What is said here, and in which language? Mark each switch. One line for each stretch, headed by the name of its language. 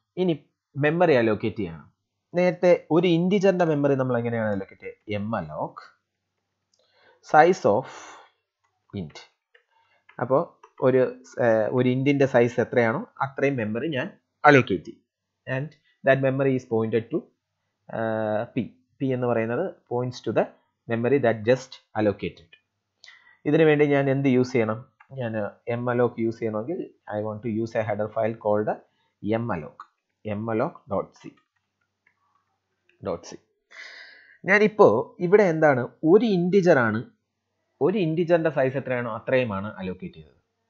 Malayalam: ഇനി memory allocate ചെയ്യണം. നേരത്തെ ഒരു ഇൻറ്റിജറിൻ്റെ മെമ്മറി നമ്മൾ എങ്ങനെയാണ് അലോക്കേറ്റ് ചെയ്യുക?
English: Malloc size of int.
Malayalam: അപ്പോൾ ഒരു ഇൻറ്റിൻ്റെ സൈസ് എത്രയാണോ അത്രയും മെമ്മറി ഞാൻ അലോക്കേറ്റ് ചെയ്യും.
English: And that memory is pointed to p. p
Malayalam: എന്ന് പറയുന്നത്
English: points to the memory that just allocated.
Malayalam: ഇതിനു വേണ്ടി ഞാൻ എന്ത് യൂസ് ചെയ്യണം? ഞാൻ എം അലോക്ക് യൂസ് ചെയ്യണമെങ്കിൽ
English: I want to use a header file called malloc dot c.
Malayalam: ഞാനിപ്പോൾ ഇവിടെ എന്താണ്, ഒരു ഇൻറ്റിജറിൻ്റെ സൈസ് എത്രയാണോ അത്രയുമാണ് അലോക്കേറ്റ് ചെയ്തത്.